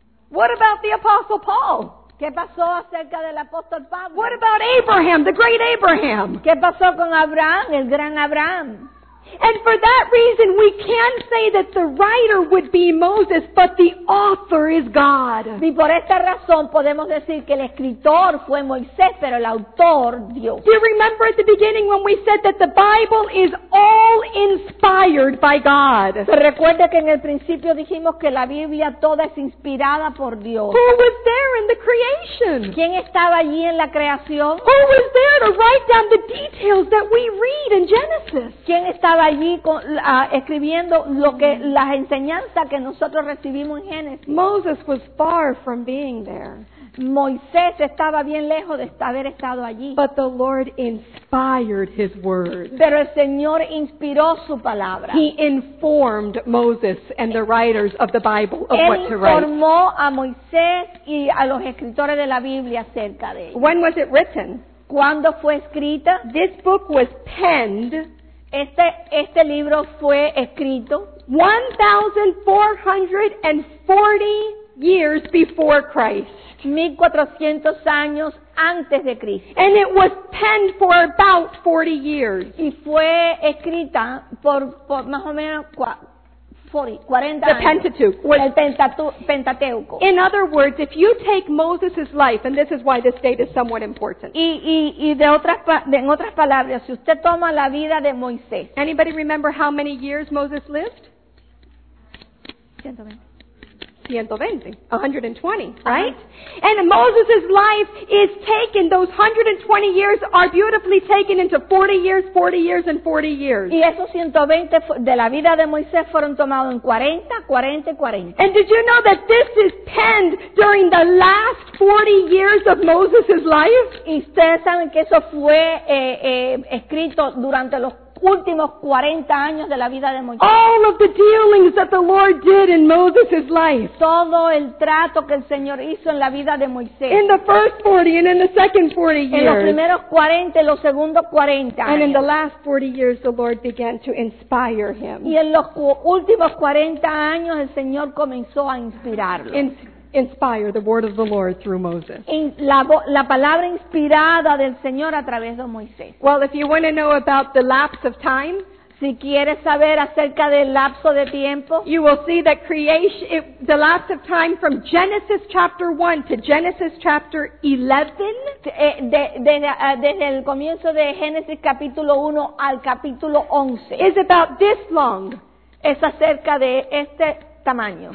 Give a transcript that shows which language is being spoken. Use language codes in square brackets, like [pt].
[en] What about the Apostle Paul? [es] ¿Qué pasó acerca del Apóstol Pablo? [en] What about Abraham, the great Abraham? [es] ¿Qué pasó con Abraham, el gran Abraham? [en] And for that reason, we can say that the writer would be Moses, but the author is God. [es] Y por esta razón podemos decir que el escritor fue Moisés, pero el autor Dios. [en] Do you remember at the beginning when we said that the Bible is all inspired? inspired by God. [es] Recuerde que en el principio dijimos que la Biblia toda es inspirada por Dios. [en] Who was there in the creation? [es] ¿Quién estaba allí en la creación? [en] Who was there to write down the details that we read in Genesis? [es] ¿Quién estaba allí escribiendo lo que las enseñanzas que nosotros recibimos en Génesis? [en] Moses was far from being there. [es] Moisés estaba bien lejos de haber estado allí. [en] But the Lord inspired his word. [es] Pero el Señor inspiró su palabra. [en] He informed Moses and the writers of the Bible of [es] él [en] what to write. [es] Él informó a Moisés y a los escritores de la Biblia acerca de ello. [en] When was it written? [es] ¿Cuándo fue escrita? [en] This book was penned. [es] Este libro fue escrito [en] 1440 years before Christ. [es] 1400 años antes de Cristo. [en] And it was penned for about 40 years. [es] Y fue escrita por más o menos 40 [en] the [es] años. [en] Pentateuch. [es] El Pentateuco. [en] In other words, if you take Moses' life, and this is why this date is somewhat important. [es] En otras palabras, si usted toma la vida de Moisés. [en] Anybody remember how many years Moses lived? 120, right? Uh-huh. And Moses' life is taken, those 120 years are beautifully taken into 40 years, 40 years, and 40 years. [es] Y esos 120 de la vida de Moisés fueron tomados en 40, 40, 40. [en] And did you know that this is penned during the last 40 years of Moses' life? [es] Y ustedes saben que eso fue escrito durante los últimos 40 años de la vida de Moisés. [en] All of the dealings that the Lord did in Moses's life. [es] Todo el trato que el Señor hizo en la vida de Moisés. [en] In the first 40 and in the second 40 years. [es] En los primeros 40 y los segundos 40 años. [en] And in the last 40 years the Lord began to inspire him. [es] Y en los últimos 40 años el Señor comenzó a inspirarlo. [en] Inspire the word of the Lord through Moses. [es] La palabra inspirada del Señor a través de Moisés. [en] Well, if you want to know about the lapse of time, [es] si quieres saber acerca del lapso de tiempo, [en] you will see that creation, the lapse of time from Genesis chapter 1 to Genesis chapter 11, [es] desde el comienzo de Génesis capítulo 1 al capítulo 11, [en] is about this long. [es] Es acerca de este tamaño.